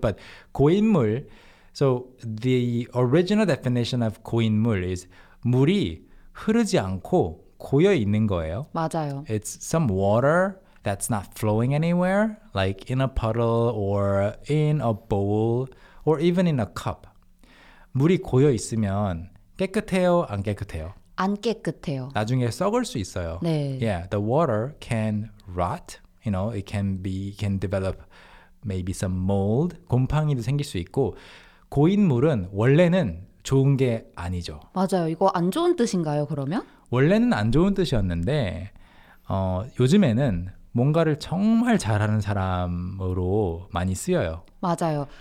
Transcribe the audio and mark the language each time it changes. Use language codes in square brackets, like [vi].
[en] But 고인물, so the original definition of 고인물 is [ko] 물이 흐르지 않고 고여 있는 거예요. 맞아요. [en] It's some water that's not flowing anywhere, like in a puddle or in a bowl or even in a cup. [ko] 물이 고여 있으면 깨끗해요, 안 깨끗해요? 안 깨끗해요. 나중에 썩을 수 있어요. 네. [en] Yeah, the water can rot, you know, it can be can develop maybe some mold. [ko] 곰팡이도 생길 수 있고 고인물은 원래는 좋은 게 아니죠. 맞아요. 이거 안 좋은 뜻인가요, 그러면? 원래는 안 좋은 뜻이었는데 요즘에는 뭔가를 정말 잘하는 사람으로 많이 쓰여요. 맞아요.